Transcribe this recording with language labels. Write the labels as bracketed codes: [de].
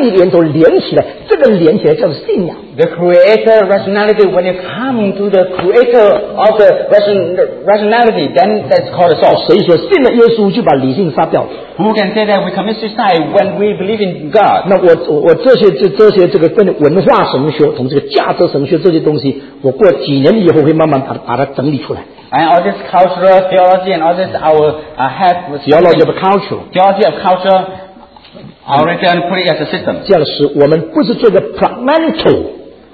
[zh] 把被造的理性与创造理性的真理源头连起来，这个连起来叫做信仰。 [en] The creator rationality, when you come to the creator of the rationality, then that's called a soul. [zh] 谁说信了耶稣就把理性杀掉？ [en] Who can say that we commit suicide when we believe in God? [zh] 那我这些这些这个跟文化神学同这个价值神学这些东西，我过几年以后会慢慢把它整理出来。 [en] And all this cultural theology and all this our have theology of culture. Theology of culture, I already put it as a system. [zh] 这样是我们不是做个 pragmatical。